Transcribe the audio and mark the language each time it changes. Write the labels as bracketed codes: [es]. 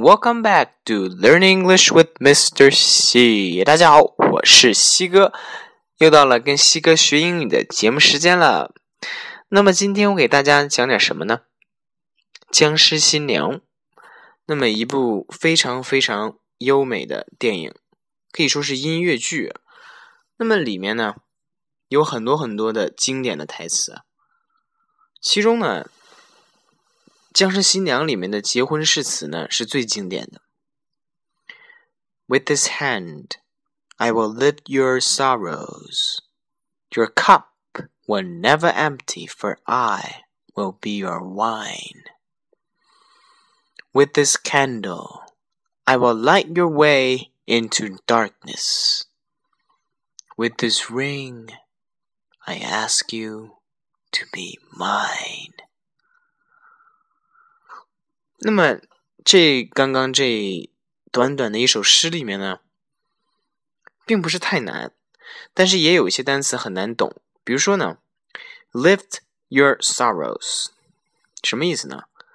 [en] Welcome back to Learn English with Mr. C. [zh] 大家好，我是西哥，又到了跟西哥学英语的节目时间了。那么今天我给大家讲点什么呢？僵尸新娘。那么一部非常非常优美的电影，可以说是音乐剧。那么里面呢，有很多很多的经典的台词。其中呢，僵尸新娘里面的结婚誓词呢是最经典的。 [en] With this hand, I will lift your sorrows. Your cup will never empty, for I will be your wine. With this candle, I will light your way into darkness. With this ring, I ask you to be mine. [zh] 那么这刚刚这短短的一首诗里面呢，并不是太难，但是也有一些单词很难懂。比如说呢 [en] Lift your sorrows [zh] 什么意思呢？